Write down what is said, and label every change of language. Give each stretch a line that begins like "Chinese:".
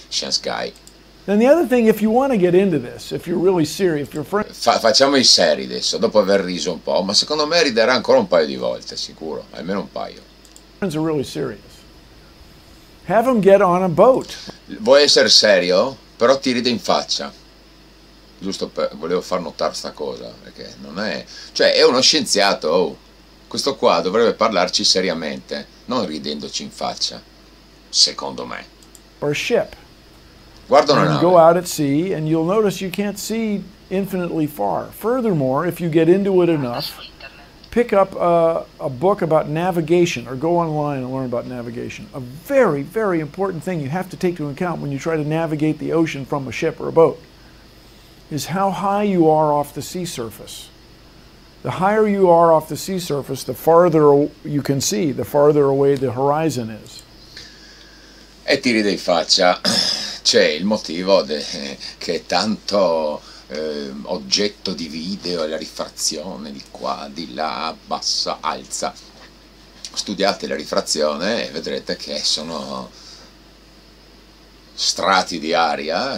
English: Science guy. Then the other thing, if you want to get into this, if you're really serious, if you're friends.
Italian: Facciamo i seri adesso, dopo aver riso un po', ma secondo me riderà ancora un paio di volte, sicuro, almeno un paio.
English: Friends are really serious. Have him get on a boat.
Italian: Vuoi essere serio? Però ti ride in faccia. Giusto, per, volevo far notare sta cosa, perché non è... Cioè, è uno scienziato, oh. Questo qua dovrebbe parlarci seriamente, non ridendoci in faccia, secondo me.
English: Or a ship.
Italian: Guarda una nave.
English: You go out at sea and you'll notice you can't see infinitely far. Furthermore, if you get into it enough, pick up a book about navigation or go online and learn about navigation. A very, very important thing you have to take into account when you try to navigate the ocean from a ship or a boat is how high you are off the sea surface. The higher you are off the sea surface, the farther you can see, the farther away the horizon is.
Italian: E ti ride in faccia. C'è il motivo che è tanto oggetto di video, la rifrazione di qua, di là, bassa, alza. Studiate la rifrazione e vedrete che sono strati di aria.